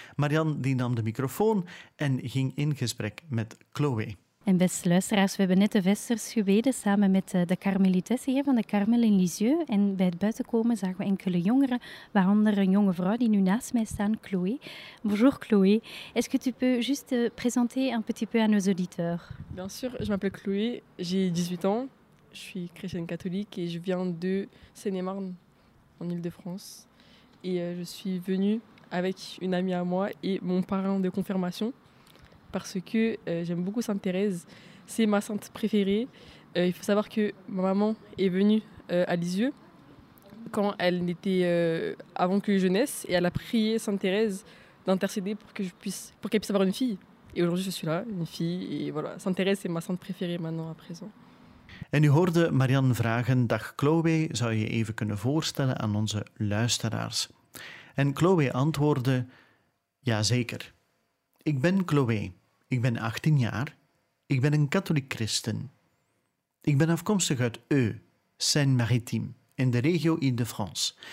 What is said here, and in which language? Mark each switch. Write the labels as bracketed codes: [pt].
[nl] Marianne die nam de microfoon en ging in gesprek met Chloe. En beste luisteraars, we hebben net de Vesters gebeden samen met de Carmelites hier van de Carmel in Lisieux. En bij het buitenkomen zagen we enkele jongeren, waaronder een jonge vrouw die nu naast mij staat, Chloé. [fr] Bonjour Chloé. Est-ce que tu peux juste présenter un petit peu à nos auditeurs? Bien sûr, je m'appelle Chloé, j'ai 18 ans, je suis chrétienne catholique et je viens de Seine-et-Marne, en Ile-de-France. Et je suis venue avec une amie à moi et mon parrain de confirmation. Parce que j'aime beaucoup Sainte Thérèse, c'est ma sainte préférée. Il faut savoir que ma maman est venue à Lisieux quand elle était avant que je naisse et elle a prié Sainte Thérèse d'intercéder pour que je puisse, pour qu'elle puisse avoir une fille. Et aujourd'hui je suis là, une fille et voilà. Sainte Thérèse c'est ma sainte préférée maintenant à présent. [nl] En u hoorde Marianne vragen: dag Chloé, zou je even kunnen voorstellen aan onze luisteraars? En Chloé antwoordde: ja zeker. Ik ben Chloé, ik ben 18 jaar, ik ben een katholiek christen. Ik ben afkomstig uit Eu, Seine-Maritime, in de regio Ile-de-France.